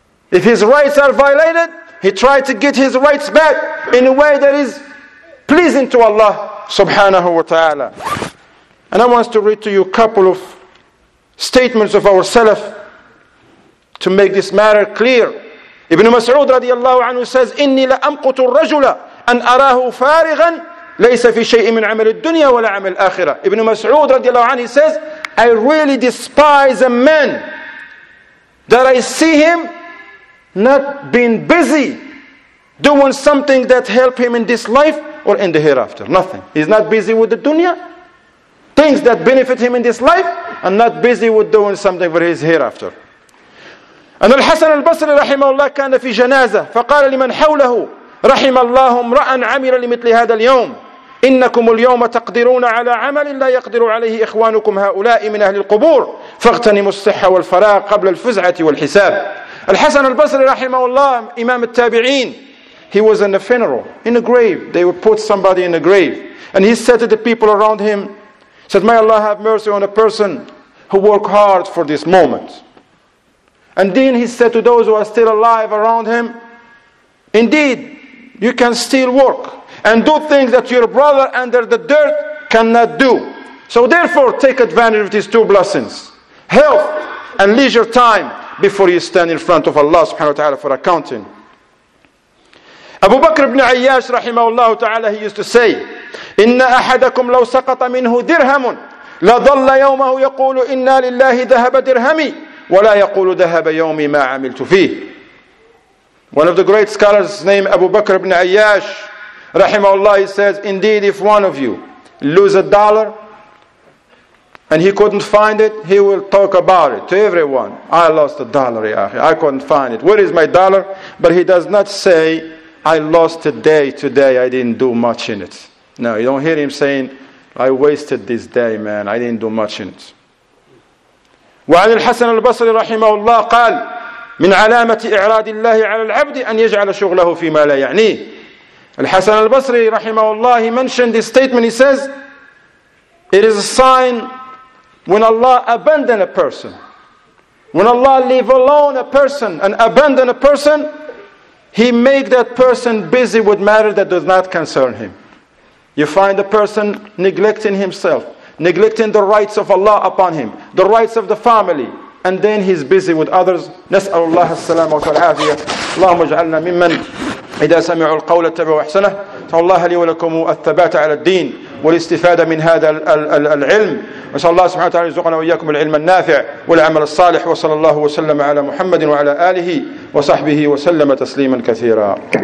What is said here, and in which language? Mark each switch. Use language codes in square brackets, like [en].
[en] If his rights are violated, he tries to get his rights back in a way that is pleasing to Allah subhanahu wa ta'ala. And I want to read to you a couple of statements of our Salaf to make this matter clear. Ibn Mas'ud radiallahu anhu says, [ar] إِنِّي لَأَمْقُتُ الرَّجُلَ أَنْ أَرَاهُ فَارِغًا لَيْسَ فِي شَيْءٍ مِنْ عَمَلِ الدُّنْيَا وَلَا عَمَلِ الْآخِرَةِ. [en] Ibn Mas'ud radiallahu anhu says, I really despise a man that I see him not being busy doing something that help him in this life or in the hereafter. Nothing. He's not busy with the dunya. Things that benefit him in this life and not busy with doing something for his hereafter. [ar] أن الحسن البصري رحمه الله كان في جنازة فقال لمن حوله رحم الله امرأ عمل لمثل هذا اليوم إنكم اليوم تقدرون على عمل لا يقدر عليه إخوانكم هؤلاء من أهل القبور فاغتنموا الصحة والفراغ قبل الفزعة والحساب. الحسن البصري رحمه الله إمام التابعين, [en] he was in a funeral, in a grave. They would put somebody in a grave and he said to the people around him, said, may Allah have mercy on a person who worked hard for this moment. And then he said to those who are still alive around him, indeed, you can still work and do things that your brother under the dirt cannot do. So therefore, take advantage of these two blessings, health and leisure time, before you stand in front of Allah subhanahu wa ta'ala for accounting. Abu Bakr ibn Ayyash rahimahullah ta'ala, he used to say, [ar] إِنَّ أَحَدَكُمْ لَوْ سَقَطَ مِنْهُ دِرْهَمٌ لَضَلَّ يَوْمَهُ يَقُولُ إِنَّا لِلَّهِ ذَهَبَ دِرْهَمِي وَلَا يَقُولُ ذَهَبَ يَوْمِي مَا عَمِلْتُ فِيهِ. [en] One of the great scholars named Abu Bakr ibn Ayyash rahimahullah, he says, indeed, if one of you lose a dollar and he couldn't find it, he will talk about it to everyone. I lost a dollar, I couldn't find it. Where is my dollar? But he does not say, I lost a day today, I didn't do much in it. No, you don't hear him saying, I wasted this day, man, I didn't do much in it. [ar] وعن الحسن البصري رحمه الله قال من علامة إعراض الله على العبد أن يجعل شغله فيما لا يعنيه. الحسن البصري رحمه الله, [en] he mentioned this statement, he says, it is a sign when Allah abandon a person, when Allah leave alone a person and abandon a person, he make that person busy with matter that does not concern him. You find a person neglecting himself, neglecting the rights of Allah upon him, the rights of the family, and then he's busy with others. [ar] نسأل الله السلامة والعافية. اللهم اجعلنا ممن إذا سمعوا القول اتبعوا أحسنه. نسأل الله لي ولكم الثبات على الدين والاستفادة من هذا العلم. نسأل الله سبحانه وتعالى يرزقنا وإياكم العلم النافع والعمل الصالح, وصلى الله وسلم على محمد وعلى آله وصحبه وسلم تسليما كثيرا.